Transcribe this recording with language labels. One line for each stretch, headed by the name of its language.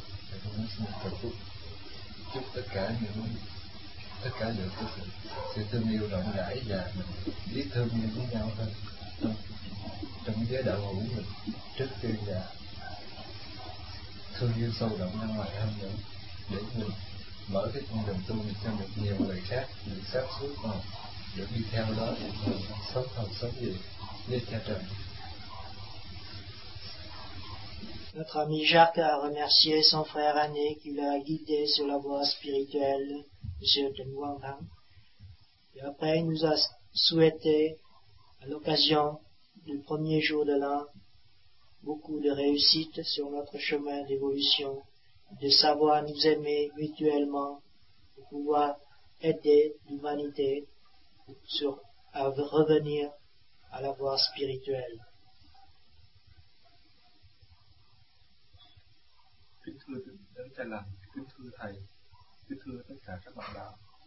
Vietnamese: Và con cũng xin cầu phúc chúc tất cả những cái sự thương yêu rộng rãi và mình biết thương yêu với nhau hơn trong giới đạo hữu mình trước tiên, là thương yêu sâu đậm ra ngoài hơn nữa để mình mở cái con đường tu mình cho được nhiều người khác được sáng suốt hơn, được đi theo đó để mình sống hơn sống gì như cha trần.
French: Notre ami Jacques a remercié son frère Anné qui l'a guidé sur la voie spirituelle, M. de Nguyen-Rang. Et après, il nous a souhaité, à l'occasion du premier jour de l'an, beaucoup de réussite sur notre chemin d'évolution, de savoir nous aimer mutuellement, pour pouvoir aider l'humanité à revenir à la voie spirituelle.
Vietnamese: Kính thưa Đấng Cha Lành, kính thưa Thầy, kính thưa tất cả các bạn đạo.